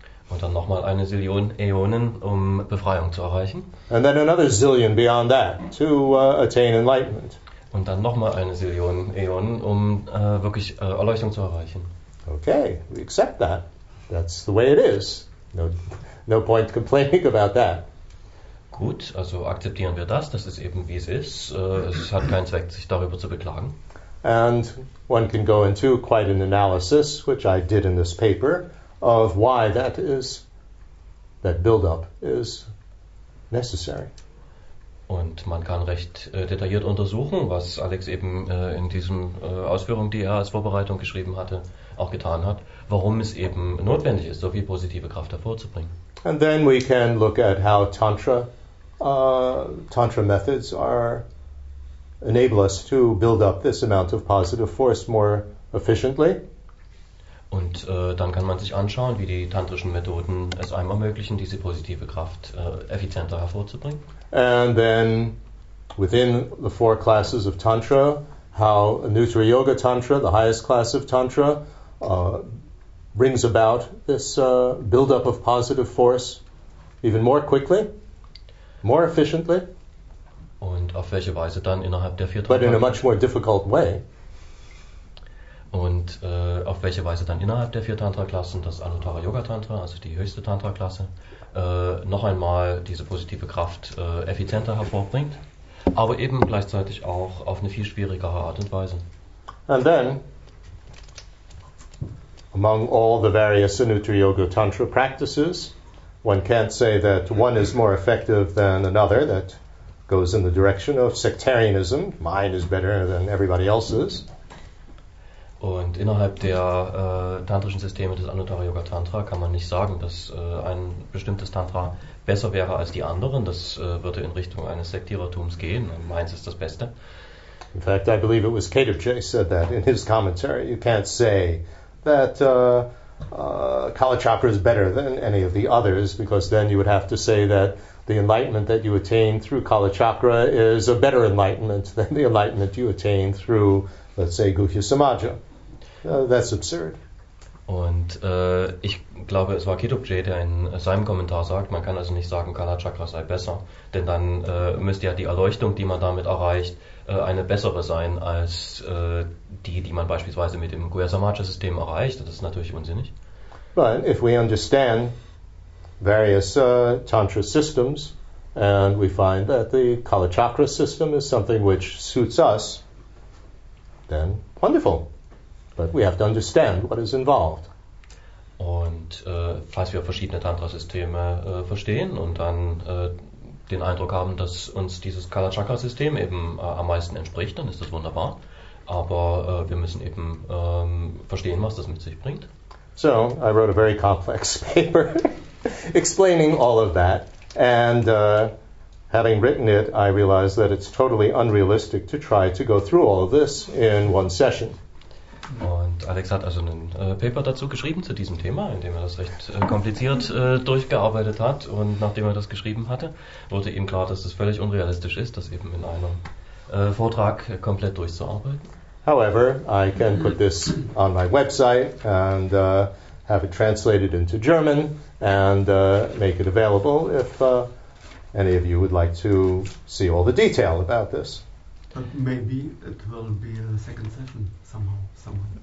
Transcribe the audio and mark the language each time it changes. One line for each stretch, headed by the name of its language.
German: Und dann nochmal eine Zillion Äonen, um Befreiung zu erreichen.
English: And then another zillion beyond that to attain enlightenment.
German: Und dann nochmal eine Zillion Äonen, um wirklich Erleuchtung zu erreichen.
English: Okay, we accept that. That's the way it is. No, no point complaining about that.
German: Gut, also akzeptieren wir das. Das ist eben wie es ist. Es hat keinen Zweck, sich darüber zu beklagen.
English: And one can go into quite an analysis, which I did in this paper, of why that is, that build-up is necessary.
German: Und man kann recht detailliert untersuchen, was Alex eben in diesen Ausführungen, die er als Vorbereitung geschrieben hatte, auch getan hat, warum es eben notwendig ist, so viel positive Kraft hervorzubringen.
English: And then we can look at how Tantra Tantra methods are enable us to build up this amount of positive force more efficiently.
German: Und dann kann man sich anschauen, wie die tantrischen Methoden es einem ermöglichen, diese positive Kraft effizienter hervorzubringen.
English: And then within the four classes of Tantra, how Nutra Yoga Tantra, the highest class of Tantra, brings about this build-up of positive force even more quickly, more efficiently.
German: Und auf welche Weise dann innerhalb der vier Tantren.
English: But in a much more difficult way.
German: Und auf welche Weise dann innerhalb der vier Tantra-Klassen, das Anuttara Yoga Tantra, also die höchste Tantra-Klasse, noch einmal diese positive Kraft effizienter hervorbringt, aber eben gleichzeitig auch auf eine viel schwierigere Art und Weise.
English: And then, among all the various Anuttara Yoga Tantra practices, one can't say that one is more effective than another, that goes in the direction of sectarianism. Mine is better than everybody else's.
German: Und innerhalb der tantrischen Systeme des Anuttara Yoga Tantra kann man nicht sagen, dass ein bestimmtes Tantra besser wäre als die anderen. Das würde in Richtung eines Sektierertums gehen. Und meins ist das Beste.
English: In fact, I believe it was Kedabje said that in his commentary. You can't say that Kalachakra is better than any of the others, because then you would have to say that the enlightenment that you attain through Kalachakra is a better enlightenment than the enlightenment you attain through, let's say, Guhya Samaja. That's absurd.
German: Und ich glaube, es war Kedupje, der in seinem Kommentar sagt, man kann also nicht sagen, Kalachakra sei besser, denn dann müsste ja die Erleuchtung, die man damit erreicht, eine bessere sein als die, die man beispielsweise mit dem Guhya Samaja System erreicht. Das ist natürlich unsinnig.
English: But if we understand various tantra systems and we find that the Kalachakra system is something which suits us, then wonderful. But we have to understand what is involved.
German: Und falls wir verschiedene Tantra-Systeme verstehen und dann den Eindruck haben, dass uns dieses Kalachakra-System eben am meisten entspricht, dann ist das wunderbar. Aber wir müssen eben verstehen, was das mit sich bringt.
English: So, I wrote a very complex paper explaining all of that. And having written it, I realized that it's totally unrealistic to try to go through all of this in one session.
German: Und Alex hat also einen Paper dazu geschrieben, zu diesem Thema, in dem er das recht kompliziert durchgearbeitet hat. Und nachdem er das geschrieben hatte, wurde ihm klar, dass es völlig unrealistisch ist, das eben in einem Vortrag komplett durchzuarbeiten.
English: However, I can put this on my website and have it translated into German and make it available if any of you would like to see all the detail about this. But maybe it will be a second session somehow.